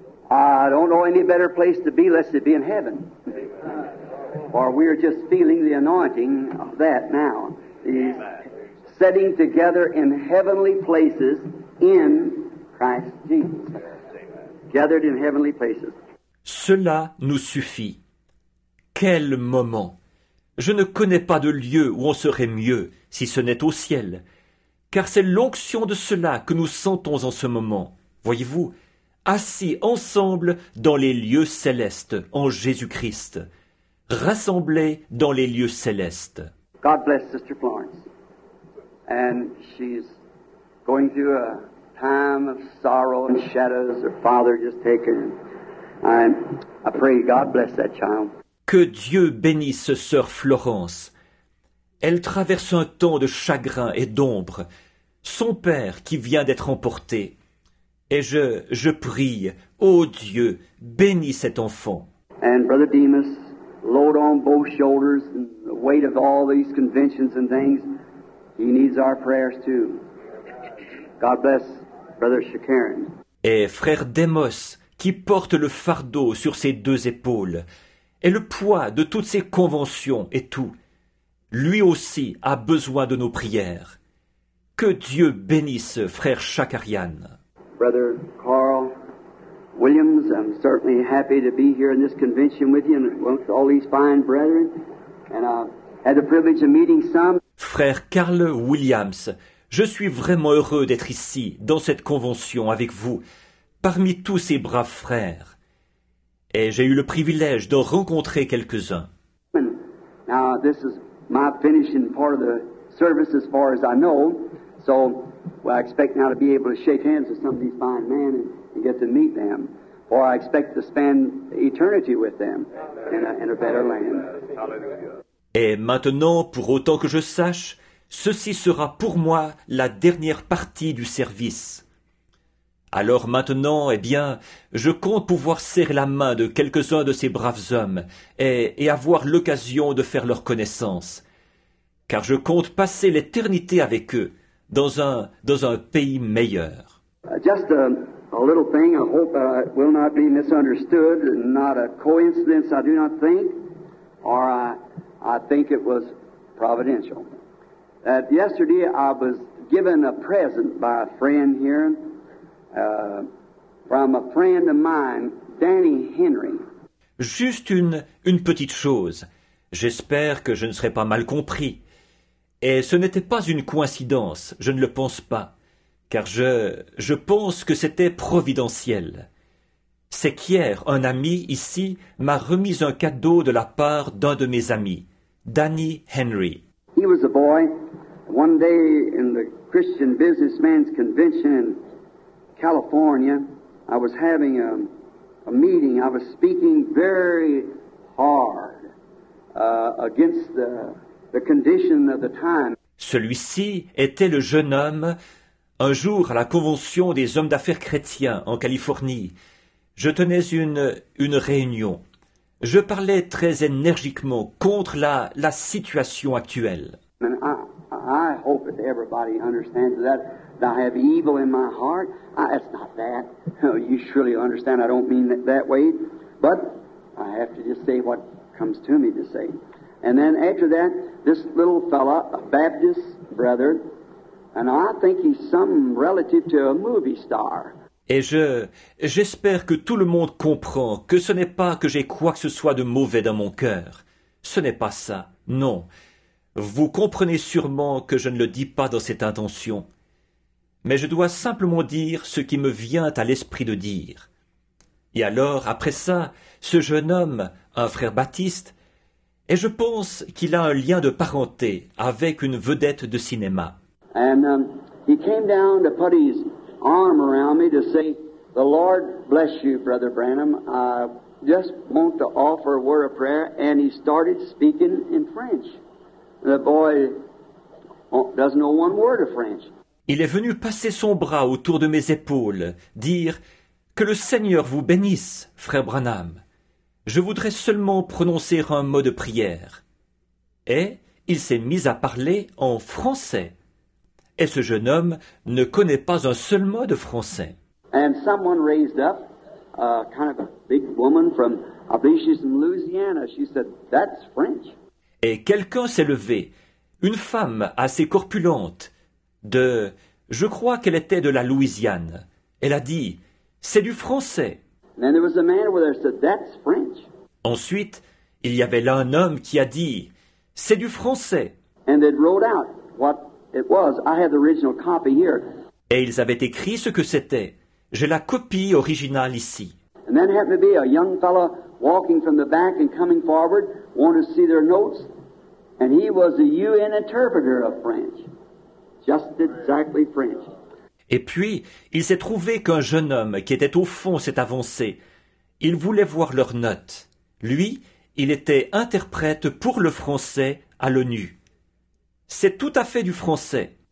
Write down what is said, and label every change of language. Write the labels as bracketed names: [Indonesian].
[English] I don't know any better place to be unless it be in heaven. Or we are just feeling the anointing of that now. He's setting together in heavenly places in Christ Jesus. Gathered in heavenly places. [French] Cela nous suffit. Quel moment! Je ne connais pas de lieu où on serait mieux, si ce n'est au ciel. Car c'est l'onction de cela que nous sentons en ce moment. Voyez-vous, assis ensemble dans les lieux célestes en Jésus-Christ. Rassemblés dans les lieux célestes. [English] God bless Sister Florence. And she's going through a time of sorrow and shadows. Her father just taken. And I pray God bless that child. [French] Que Dieu bénisse Sœur Florence. Elle traverse un temps de chagrin et d'ombre. Son père qui vient d'être emporté. Et je prie, oh Dieu, bénis cet enfant. [English] And Brother Demas, load on both shoulders and the weight of all these conventions and things, he needs our prayers too. God bless Brother Shakarin. [French] Et frère Demos, qui porte le fardeau sur ses deux épaules et le poids de toutes ces conventions et tout, lui aussi a besoin de nos prières. Que Dieu bénisse frère Shakarian. [English] Brother Carl Williams, I'm certainly happy to be here in this convention with you and with all these fine brethren, and I had the privilege of meeting some. [French] Frère Carl Williams, je suis vraiment heureux d'être ici, dans cette convention, avec vous, parmi tous ces braves frères. Et j'ai eu le privilège d'en rencontrer quelques-uns. [English] Now, this is my finishing part of the service, as far as I know. So, well, I expect now to be able to shake hands with some of these fine men and get to meet them. Or I expect to spend eternity with them in a better land. [French] Et maintenant, pour autant que je sache, ceci sera pour moi la dernière partie du service. Alors maintenant, eh bien, je compte pouvoir serrer la main de quelques-uns de ces braves hommes et avoir l'occasion de faire leur connaissance. Car je compte passer l'éternité avec eux dans un pays meilleur. [English] Just a little thing, I hope that it will not be misunderstood, not a coincidence, I do not think, or I think it was providential. That yesterday I was given a present by a friend here, from a friend of mine, Danny Henry. [French] Juste une petite chose. J'espère que je ne serai pas mal compris. Et ce n'était pas une coïncidence, je ne le pense pas. Car je pense que c'était providentiel. C'est qu'hier, un ami ici m'a remis un cadeau de la part d'un de mes amis, Danny Henry. [English] He was a boy. One day in the Christian Businessman's Convention in California, I was having a meeting. I was speaking very hard against the condition of the time. [French] Celui-ci était le jeune homme. Un jour, à la convention des hommes d'affaires chrétiens en Californie, je tenais une réunion. Je parlais très énergiquement contre la situation actuelle. [English] I hope that everybody understands that I have evil in my heart. It's not that. You surely understand. I don't mean it that way. But I have to just say what comes to me to say. And then after that, this little fella, a Baptist brother, and I think he's some relative to a movie star. [French] Et j'espère que tout le monde comprend que ce n'est pas que j'ai quoi que ce soit de mauvais dans mon cœur. Ce n'est pas ça. Non. Vous comprenez sûrement que je ne le dis pas dans cette intention, mais je dois simplement dire ce qui me vient à l'esprit de dire. Et alors, après ça, ce jeune homme, un frère baptiste, et je pense qu'il a un lien de parenté avec une vedette de cinéma. [English] And he came down to put his arm around me to say, "The Lord bless you, Brother Branham. I just want to offer a word of prayer." And he started speaking in French. The boy doesn't know one word of French. [French] Il est venu passer son bras autour de mes épaules, dire « Que le Seigneur vous bénisse, frère Branham. Je voudrais seulement prononcer un mot de prière. » Et il s'est mis à parler en français. Et ce jeune homme ne connaît pas un seul mot de français. [English] And someone raised up, kind of a big woman from, I believe she's from Louisiana. She said, "That's French." [French] Et quelqu'un s'est levé, une femme assez corpulente, je crois qu'elle était de la Louisiane. Elle a dit, c'est du français. [English] And there was a man with her, said, "That's French." [French] Ensuite, il y avait là un homme qui a dit, c'est du français. [English] And they wrote out what it was. I have the original copy here. [French] Et ils avaient écrit ce que c'était. J'ai la copie originale ici. [English] And then happened to be a young fellow walking from the back and coming forward. Wanted to see their notes, and he was a UN interpreter of French, just exactly French. [French] Et puis, il s'est trouvé qu'un jeune homme qui était au fond s'est avancé. Il voulait voir leurs notes. Lui, il était interprète pour le français à l'ONU. C'est tout à fait du français.